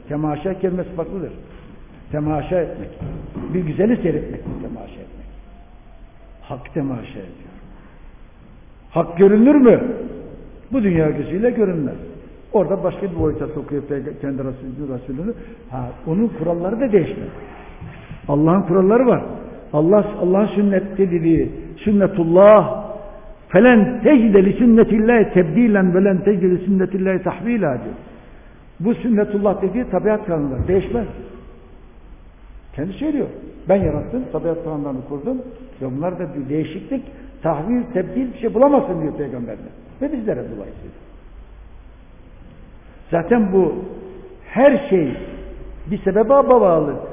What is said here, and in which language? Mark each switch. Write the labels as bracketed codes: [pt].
[tr] Temaşa kelimesi farklıdır. Temaşa etmek. Bir güzeli seyretmek mi temaşa etmek? Hak temaşa ediyor. Hak görünür mü? Bu dünya gözüyle görünmez. Orada başka bir boyuta sokuyor kendi Resulünü. Ha, onun kuralları da değişmez. Allah'ın kuralları var. Allah'ın sünnet dediği sünnetullah [ar] فَلَنْ تَجْدَ لِسُنَّتِ اللّٰهِ تَبْد۪يلًا وَلَنْ تَجْدَ لِسُنَّتِ اللّٰهِ تَحْو۪يلًا [tr] diyor. Bu sünnetullah dediği tabiat kanunları değişmez. Kendi söylüyor. Ben yarattım, tabiat kanunlarını kurdum ve bunlar da bir değişiklik, tahvil, tebdil bir şey bulamazsın diyor Peygamberler. Ve bizlere dolayısıyla. Zaten bu her şey bir sebebe bağlı.